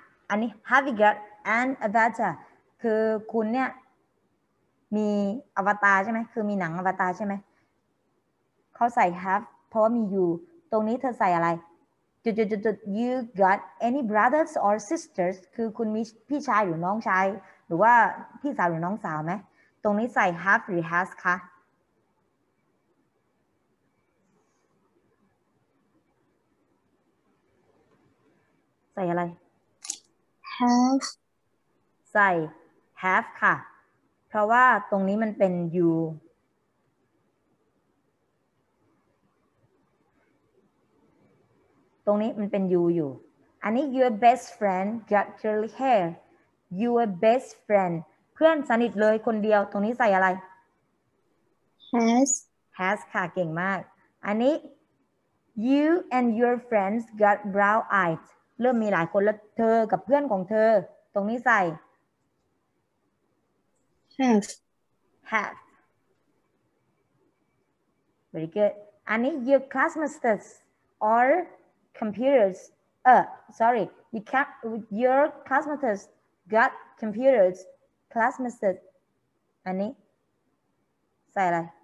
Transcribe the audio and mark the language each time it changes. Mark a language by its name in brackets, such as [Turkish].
[Thai] อันนี้ [English] have you got an avatar [Thai] คือคุณเนี่ยมีอวตารใช่ไหมคือมีหนังอวตารใช่ไหมเขาใส่ have เพราะว่ามี you ตรงนี้เธอใส่อะไร [English] You got any brothers or sisters? [Thai] คือคุณมีพี่ชายหรือน้องชายหรือว่าพี่สาวหรือน้องสาวไหมตรงนี้ใส่ have หรือ has คะใส่อะไร [English] have [Thai] ใส่ have ค่ะเพราะว่าตรงนี้มันเป็น you ตรงนี้มันเป็น you อยู่อันนี้ [English] your best friend got curly hair your best friend [Thai] เพื่อนสนิทเลยคนเดียวตรงนี้ใส่อะไร [English] has [Thai] has ค่ะเก่งมากอันนี้ [English] you and your friends got brown eyes [Thai] เริ่มมีหลายคนแล้วเธอกับเพื่อนของเธอตรงนี้ใส่ [English] has have very good อันนี้ your classmates or computers sorry you can your classmates got computers classmates [Thai] อันนี้ใส่อะไร